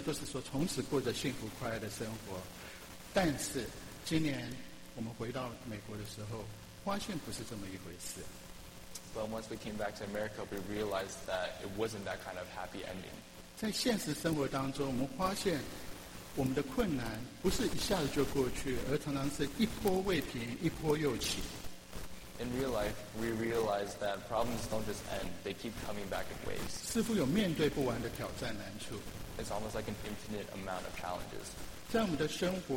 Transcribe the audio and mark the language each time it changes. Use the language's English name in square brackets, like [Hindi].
[Chinese] 都是说从此过着幸福快乐的生活。但是今年我们回到美国的时候, 发现不是这么一回事。 [English] But once we came back to America, we realized that it wasn't that kind of happy ending. [Chinese] 在现实生活当中, 我们发现我们的困难不是一下子就过去, 而常常是一波未平, 一波又起。 [English] In real life, we realize that problems don't just end, they keep coming back in waves. It's almost like an infinite amount of challenges.